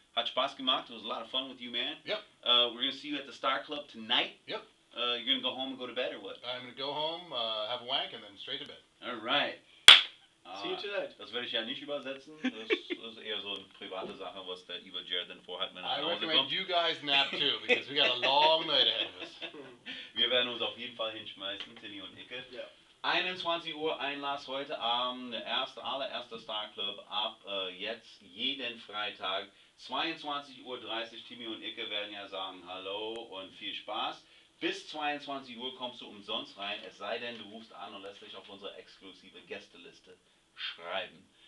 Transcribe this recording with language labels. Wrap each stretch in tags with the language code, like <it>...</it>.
<de>Hat Spaß gemacht.</de> <en>It was a lot of fun with you, man. Yep. We're going to see you at the Star Club tonight. Yep. You're going to go home and go to bed, or what? I'm going to go home, have a wank, and then straight to bed. All right. See you tonight.</en> <de>Das werde ich ja nicht übersetzen. Das ist eher so eine private Sache, was der Eva Jared dann vorhat.</de> <en>I recommend you guys nap too, because we got a long night ahead of us.</en> <de>Wir werden uns auf jeden Fall hinschmeißen, Tini und Hicke. Ja. 21 Uhr Einlass heute Abend, allererster Star Club ab jetzt, jeden Freitag. 22.30 Uhr, Timmy und Icke werden ja sagen Hallo und viel Spaß. Bis 22 Uhr kommst du umsonst rein, es sei denn, du rufst an und lässt dich auf unsere exklusive Gästeliste schreiben.</de>